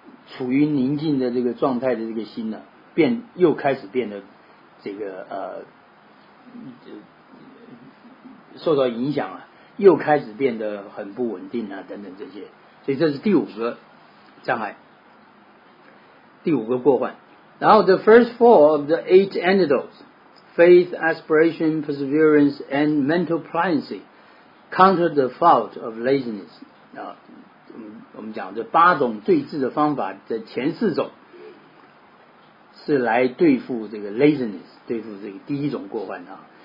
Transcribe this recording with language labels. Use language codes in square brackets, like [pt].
[zh] 处于宁静的这个状态的这个心呢又开始变得这个受到影响啊，又开始变得很不稳定啊等等这些。所以这是第五个障碍，第五个过患。 [en] Now the first four of the eight antidotes, faith, aspiration, perseverance, and mental pliancy, counter the fault of laziness. [zh] 啊，我们讲这八种对治的方法的前四种是来对付这个 laziness，对付这个第一种过患啊。